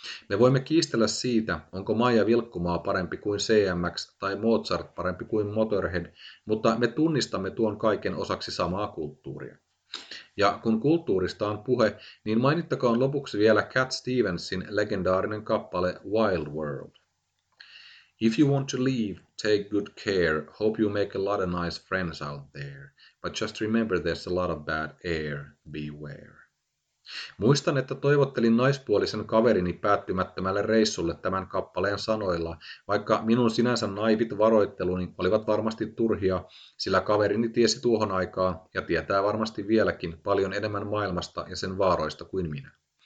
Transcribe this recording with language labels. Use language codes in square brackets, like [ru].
[fi] Me voimme kiistellä siitä, onko Maija Vilkkumaa parempi kuin CMX tai Mozart parempi kuin Motorhead, mutta me tunnistamme tuon kaiken osaksi samaa kulttuuria. Ja kun kulttuurista on puhe, niin mainittakoon lopuksi vielä Cat Stevensin legendaarinen kappale Wild World. [en] If you want to leave, take good care. Hope you make a lot of nice friends out there. But just remember there's a lot of bad air. Beware. [fi] Muistan, että toivottelin naispuolisen kaverini päättymättömälle reissulle tämän kappaleen sanoilla, vaikka minun sinänsä naivit varoitteluni olivat varmasti turhia, sillä kaverini tiesi tuohon aikaan ja tietää varmasti vieläkin paljon enemmän maailmasta ja sen vaaroista kuin minä.